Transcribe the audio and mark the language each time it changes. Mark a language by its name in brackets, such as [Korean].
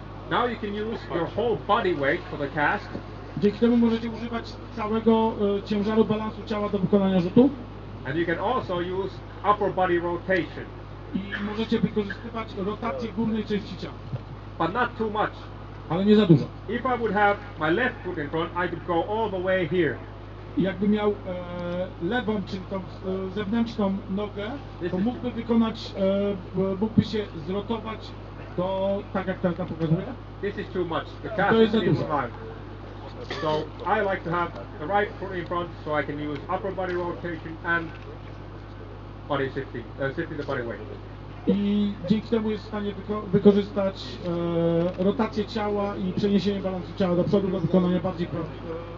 [English] Now you can use your whole body weight for the cast. [Polish] Dzięki temu możecie używać całego ciężaru, balansu ciała do wykonania rzutu. [English] And you can also use upper body rotation. [Polish] I możecie wykorzystywać rotację górnej części ciała. [English] But not too much. [Polish] Ale nie za dużo. [English] If I would have my left foot in front, I could go all the way here. [Polish] Jakbym miał lewą, czyli tą zewnętrzną nogę, to mógłby wykonać, mógłby się zrotować do, tak jak tam pokazuje. [English] This is too much. The cast [Polish] to jest za dużo. [English] So I like to have the right foot in front so I can use upper body rotation and body shifting, shifting the body weight. [Polish] I dzięki temu jest w stanie wykorzystać rotację ciała i przeniesienie balansu ciała do przodu do wykonania bardziej prostego.